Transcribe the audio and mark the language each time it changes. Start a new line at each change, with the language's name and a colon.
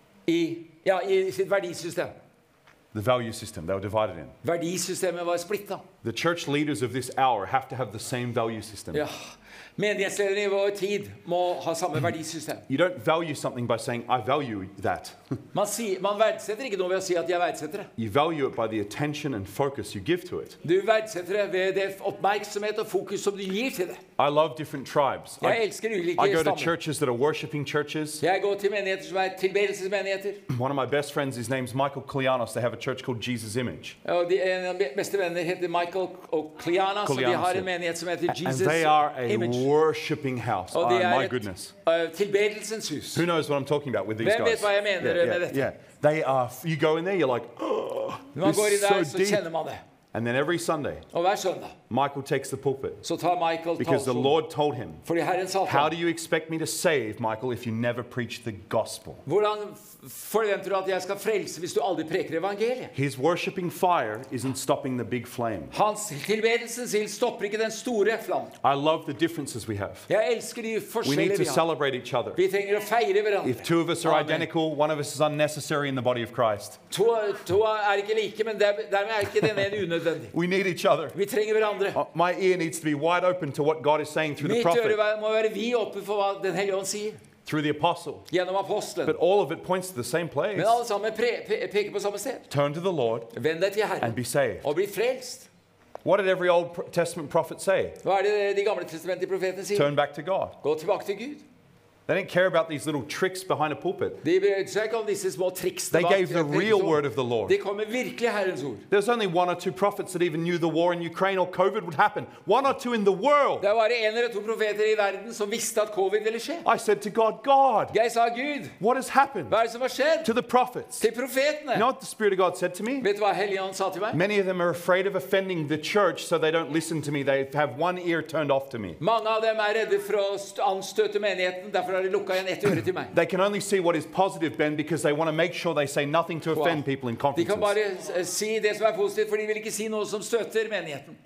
Norwegian: I sitt verdisystem.
English: The value system they were divided in.
Norwegian: Verdisystemet var splittet.
English: The church leaders of this hour have to have the same value system.
Norwegian: Ja. Menighetslederne I vår tid må ha samme verdisystem.
English: You don't value something by saying I value that.
Norwegian: Man verdsetter ikke noe ved å si at jeg verdsetter det.
English: You value it by the attention and focus you give to it.
Norwegian: Du verdsetter det ved det oppmerksomhet og fokus som du gir til det.
English: I love different tribes.
Norwegian: Jeg elsker ulike stammer.
English: I go to churches that are worshiping churches.
Norwegian: Jeg går til menigheter som tilbedelsesmenigheter.
English: One of my best friends, his name's Michael Kleanos. They have a church called Jesus Image.
Norwegian: Og de en av mine beste venner heter Michael Kleanos, og de har en menighet som heter Jesus Image.
English: Worshipping house. Oh, my goodness.
Norwegian: Tilbedelsens hus.
English: Who knows what I'm talking about with these
Norwegian: Hvem
English: guys?
Norwegian: Vet hva jeg mener med dette?
English: Yeah. They are, you go in there, you're like, oh,
Norwegian: man går I der,
English: so deep.
Norwegian: Så kjenner man det.
English: And then every Sunday,
Norwegian: og hver søndag,
English: Michael takes the pulpit.
Norwegian: Så tar Michael
English: because
Norwegian: talsom.
English: The Lord told him,
Norwegian: fordi Herren sa
English: how do you expect me to save, Michael, if you never preach the gospel?
Norwegian: Hvordan forventer du at jeg skal frelse hvis du aldri preker evangeliet?
English: His worshipping fire isn't stopping the big flame.
Norwegian: Hans tilbedelsens ild stopper ikke den store flammen.
English: I love the differences we have.
Norwegian: Jeg elsker de forskjellene.
English: We need to celebrate each other.
Norwegian: Vi trenger å feire hverandre.
English: If two of us are identical, one of us is unnecessary in the body of Christ.
Norwegian: To ikke like, men dermed ikke den ene unødvendig.
English: We need each other.
Norwegian: Vi trenger hverandre.
English: My ear needs to be wide open to what God is saying through
Norwegian: Mitt
English: the prophet.
Norwegian: Mitt øre må være vid åpen for hva den hellige ånd sier.
English: Through the apostle.
Norwegian: Gjennom apostelen.
English: But all of it points to the same place.
Norwegian: Men alle sammen peker på samme sted.
English: Turn to the Lord.
Norwegian: Vend deg til Herren.
English: And be saved.
Norwegian: Og bli frelst.
English: What did every Old Testament prophet say?
Norwegian: Hva det de gamle testamentlige profetene sier?
English: Turn back to God.
Norwegian: Gå tilbake til Gud.
English: They didn't care about these little tricks behind a pulpit.
Norwegian: De sjekket om disse små triks.
English: They gave the real word of the Lord.
Norwegian: De kom med virkelig Herrens ord.
English: There's only one or two prophets that even knew the war in Ukraine or COVID would happen. One or two in the world.
Norwegian: Det var en eller to profeter I verden som visste at COVID ville skje.
English: I said to God, God.
Norwegian: Jeg sa Gud.
English: What has happened?
Norwegian: Hva som har skjedd?
English: To the prophets.
Norwegian: Til profetene.
English: You know what the Spirit of God said to me?
Norwegian: Vet du hva Hellige Ånd sa til meg?
English: Many of them are afraid of offending the church, so they don't listen to me. They have one ear turned off to me.
Norwegian: Mange av dem redde for å anstøte menigheten, derfor
Swedish: därför har de lukkat igen ett öre till mig.
English: They can only see what is positive, Ben, because they want to make sure they say nothing to offend people in conferences.
Swedish: De kan bara se det som är positivt, för de vill inte se något som stöter menigheten.